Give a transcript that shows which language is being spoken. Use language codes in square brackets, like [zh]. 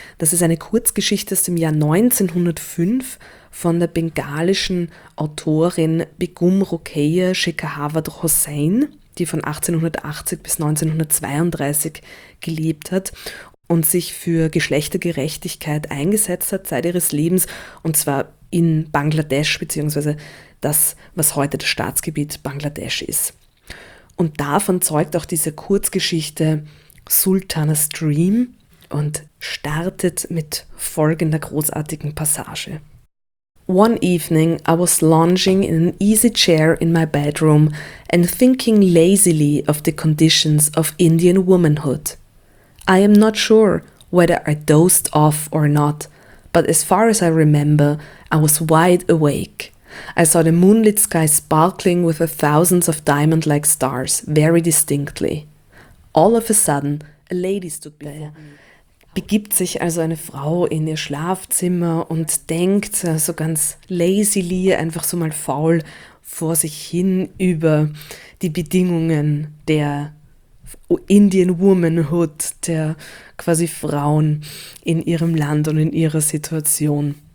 [de] Das ist eine Kurzgeschichte aus dem Jahr 1905 von der bengalischen Autorin Begum Rokeya Shekarhavad Hossain, die von 1880 bis 1932 gelebt hat und sich für Geschlechtergerechtigkeit eingesetzt hat seit ihres Lebens, und zwar in Bangladesch, beziehungsweise das, was heute das Staatsgebiet Bangladesch ist. Und davon zeugt auch diese Kurzgeschichte Sultana's Dream und startet mit folgender großartigen Passage. [en] One evening I was lounging in an easy chair in my bedroom and thinking lazily of the conditions of Indian womanhood. I am not sure whether I dozed off or not, but as far as I remember, I was wide awake. I saw the moonlit sky sparkling with the thousands of diamond-like stars very distinctly. All of a sudden, a lady stood by me. [de] Begibt sich also eine Frau in ihr Schlafzimmer und denkt so ganz lazily, einfach so mal faul vor sich hin über die Bedingungen der Indian Womanhood, der quasi Frauen in ihrem Land und in ihrer Situation.